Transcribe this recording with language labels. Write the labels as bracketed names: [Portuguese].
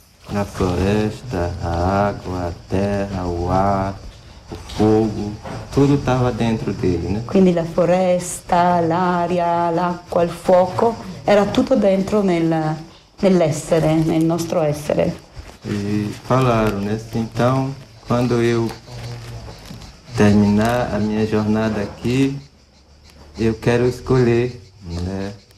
[Portuguese] La floresta, a água, a terra, o ar, o fogo, tudo estava dentro dele, né? [Italian] Quindi la foresta, l'aria, l'acqua, il fuoco, era tutto dentro nell'essere, nel nostro essere. [Portuguese] E falaram, né? Então, quando eu terminar a minha jornada aqui, eu quero escolher, né?